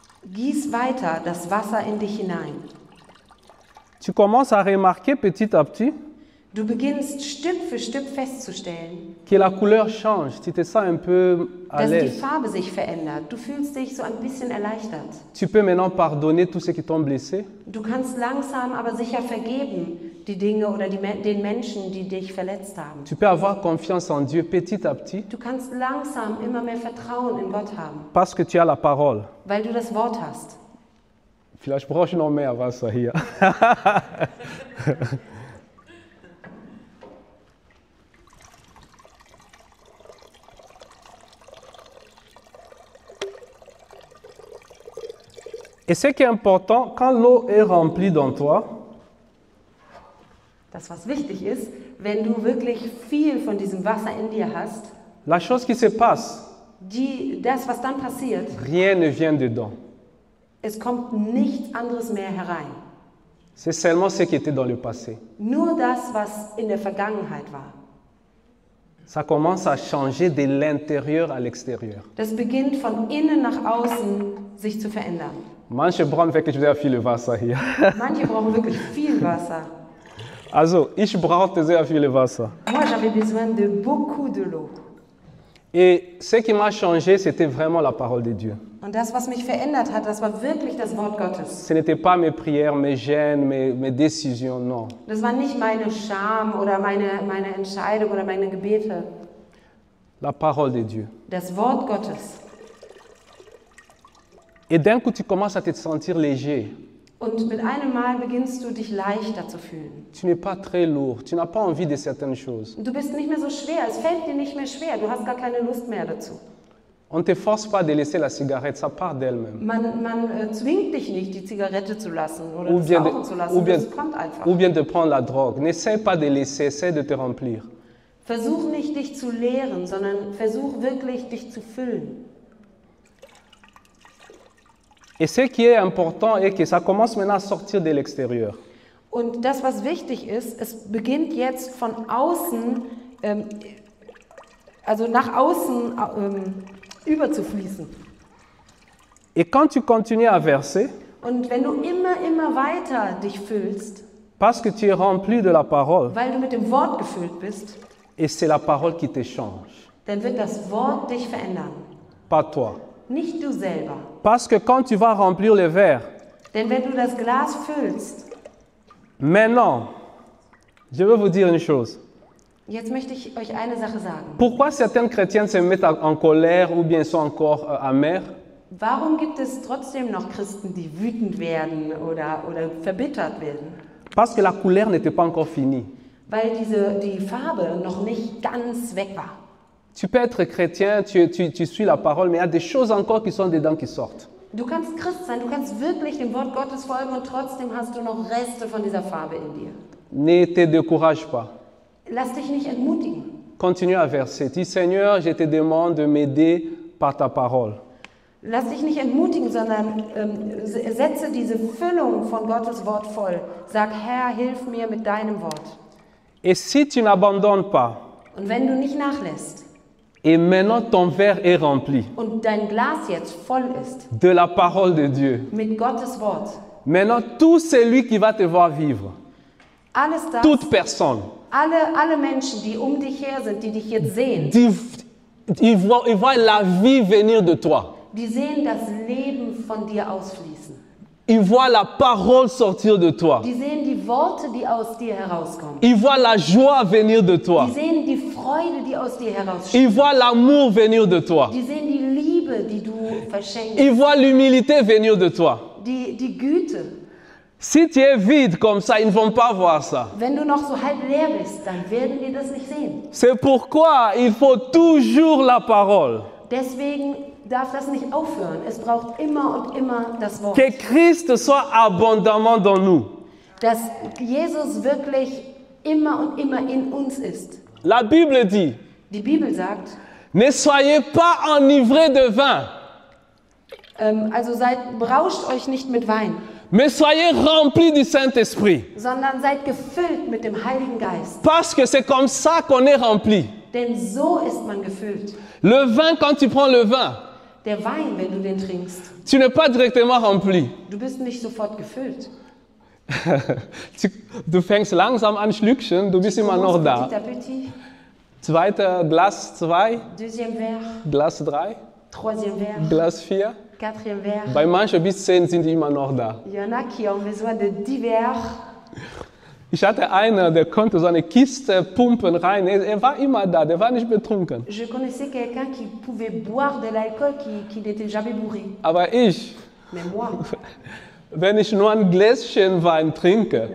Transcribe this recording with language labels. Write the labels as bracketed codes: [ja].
[de] Gieß weiter das Wasser in dich hinein. [fr] Tu commences à remarquer petit à petit. [de] Du beginnst Stück für Stück festzustellen. [fr] Que la couleur change. Tu te sens un peu à l'aise. [de] Dass die Farbe sich verändert. Du fühlst dich so ein bisschen erleichtert. [fr] Tu peux maintenant pardonner tous ceux qui t'ont blessé. [de] Du kannst langsam aber sicher vergeben die Dinge oder den Menschen, die dich verletzt haben. [fr] Tu peux avoir confiance en Dieu petit à petit. [de] Du kannst langsam immer mehr Vertrauen in Gott haben. [fr] Parce que tu as la parole. [de] Weil du das Wort hast. Vielleicht brauche ich noch mehr Wasser hier. [fr] Et ce qui est important, quand l'eau est remplie dans toi, [de] das, was wichtig ist, wenn du wirklich viel von diesem Wasser in dir hast, [fr] la chose qui se passe, [de] das, was dann passiert, [fr] rien ne vient dedans. [de] Es kommt nichts anderes mehr herein. [fr] C'est seulement ce qui était dans le passé. [de] Nur das, was in der Vergangenheit war. [fr] Ça commence à changer de l'intérieur à l'extérieur. [de] Das beginnt von innen nach außen sich zu verändern. Manche brauchen wirklich sehr viel Wasser hier. Manche brauchen wirklich viel Wasser. Also, ich brauchte sehr viel Wasser. [fr] Moi, j'avais besoin de beaucoup de l'eau. Et ce qui m'a changé, c'était vraiment la parole de Dieu. [de] Und das, was mich verändert hat, das war wirklich das Wort Gottes. [fr] Ce n'était pas mes prières, mes gênes, mes décisions, non. [de] Das war nicht meine Scham oder meine Entscheidung oder meine Gebete. [fr] La parole de Dieu. [de] Das Wort Gottes. [fr] Et d'un coup, tu commences à te sentir léger. [de] Und mit einem Mal beginnst du dich leichter zu fühlen. [fr] Tu n'es pas très lourd, tu n'as pas envie de certaines choses. [de] Du bist nicht mehr so schwer, es fällt dir nicht mehr schwer, du hast gar keine Lust mehr dazu. [fr] On ne te force pas de laisser la cigarette, ça part d'elle-même. [de] Man zwingt dich nicht, die Zigarette zu lassen oder das kommt einfach. [fr] Ou bien de prendre la drogue. N'essaie pas de laisser, essaie de te remplir. [de] Versuch nicht, dich zu leeren, sondern versuch wirklich, dich zu füllen. [fr] Et ce qui est important est que ça commence maintenant à sortir de l'extérieur. [de] Und das, was wichtig ist, es beginnt jetzt von außen also nach außen überzufließen. [fr] Et quand tu continues à verser, [de] und wenn du immer, immer weiter dich füllst, [fr] parce que tu es rempli de la parole, [de] weil du mit dem Wort gefüllt bist, [fr] et c'est la parole qui te change. [de] Dann wird das Wort dich verändern. [fr] Pas toi. [de] Nicht du selber. [fr] Parce que quand tu vas remplir le verre, [de] denn wenn du das Glas füllst, [fr] maintenant, je veux vous dire une chose. [de] Jetzt möchte ich euch eine Sache sagen. [fr] Pourquoi certaines chrétiennes se mettent en colère ou bien sont encore amères? [de] Warum gibt es trotzdem noch Christen, die wütend werden oder verbittert werden? [fr] Parce que la couleur n'était pas encore finie. [de] Weil die Farbe noch nicht ganz weg war. [fr] Tu peux être chrétien, tu suis la parole, mais il y a des choses encore qui sont dedans qui sortent. [de] Du kannst Christ sein, du kannst wirklich dem Wort Gottes folgen und trotzdem hast du noch Reste von dieser Farbe in dir. [fr] Ne te décourage pas. [de] Lass dich nicht entmutigen. [fr] Continue à verser. Dis Seigneur, je te demande de m'aider par ta parole. [de] Lass dich nicht entmutigen, sondern setze diese Füllung von Gottes Wort voll. Sag, Herr, hilf mir mit deinem Wort. [fr] Et si tu n'abandonnes pas, [de] und wenn du nicht nachlässt, [fr] et maintenant ton verre est rempli, [de] und dein Glas jetzt voll ist, [fr] de la parole de Dieu, [de] mit Gottes Wort, [fr] maintenant tout celui qui va te voir vivre, [de] alles das, [fr] toute personne, [de] alle Menschen, die um dich her sind, die dich jetzt sehen, [fr] ils voient la vie venir de toi. [de] Die sehen das Leben von dir ausfließen. [fr] Ils voient la parole sortir de toi. [de] Die sehen die Worte, die aus dir herauskommen. [fr] Ils voient la joie venir de toi. [de] Die sehen die Freude, die aus dir herausströmt. [fr] Ils voient l'amour venir de toi. [de] Die sehen die Liebe, die du verschenkst. [fr] Ils voient l'humilité venir de toi. [de] Die Güte. [fr] Si tu es vide comme ça, ils ne vont pas voir ça. [de] Wenn du noch so halb leer bist, dann werden die das nicht sehen. [fr] C'est pourquoi il faut toujours la parole. [de] Deswegen darf das nicht aufhören. Es braucht immer und immer das Wort. [fr] Que Christ soit abondamment dans nous. [de] Dass Jesus wirklich immer und immer in uns ist. [fr] La Bible dit. [de] Die Bibel sagt. [fr] Ne soyez pas enivrés de vin. [de] Also seid berauscht euch nicht mit Wein. [fr] Mais soyez remplis du Saint-Esprit. [de] Sondern seid gefüllt mit dem Heiligen Geist. [fr] Parce que c'est comme ça qu'on est rempli. [de] Denn so ist man gefüllt. [fr] Le vin, quand tu prends le vin, [de] der Wein, wenn du den trinkst, [fr] tu n'es pas directement rempli. [de] Du bist nicht sofort gefüllt. Du fängst langsam an schlückchen, du bist immer noch da. [fr] Petit à petit. [de] Zweite Glas, zwei. [fr] Deuxième verre. [de] Glas drei. [fr] Troisième verre. [de] Glas vier. [fr] Quatrième verre. [de] Bei manchen bis zehn sind die immer noch da. [fr] Il y en a qui ont besoin de 10 verres. [de] Ich hatte einen, der konnte so eine Kiste pumpen rein. Er war immer da, der war nicht betrunken. [fr] Je connaissais quelqu'un qui pouvait boire de l'alcool qui n'était jamais bourré. [de] Aber ich. [fr] Mais moi. [de] Wenn ich nur ein Gläschen Wein trinke.